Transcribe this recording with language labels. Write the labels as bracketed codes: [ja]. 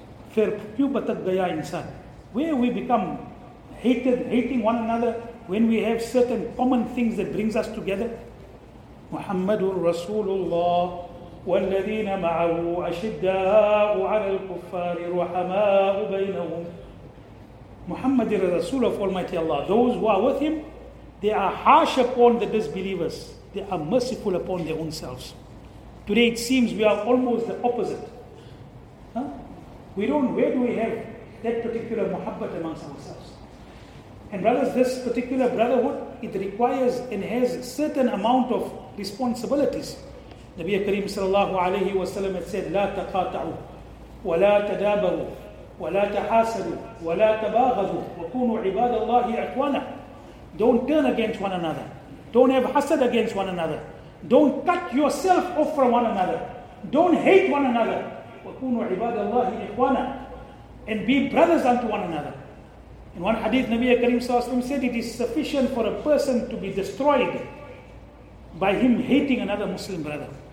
[ur] Fir kyun batak gaya insaan? [en] Where we become hating one another when we have certain common things that brings us together? [ar] Muhammadur Rasulullah. والذين معه أشداء على الكفار رحماء بينهم. [en] Muhammad is the Rasul of Almighty Allah. Those who are with him, they are harsh upon the disbelievers. They are merciful upon their own selves. Today it seems we are almost the opposite. Where do we have that particular muhabbat amongst ourselves? And brothers, this particular brotherhood, it requires and has a certain amount of responsibilities. Nabi Kareem sallallahu alayhi wa sallam had said, [ar] لَا تَقَاطَعُوا وَلَا تَدَابَرُوا وَلَا تَحَاسَدُوا وَلَا تَبَاغَذُوا وَكُونُوا عِبَادَ اللَّهِ أَخْوَانًا. [en] Don't turn against one another. Don't have hasad against one another. Don't cut yourself off from one another. Don't hate one another. [ar] وَكُونُوا عِبَادَ اللَّهِ أَخْوَانًا. [en] And be brothers unto one another. In one hadith, Nabi Kareem sallallahu alayhi wa sallam said, it is sufficient for a person to be destroyed by him hating another Muslim brother.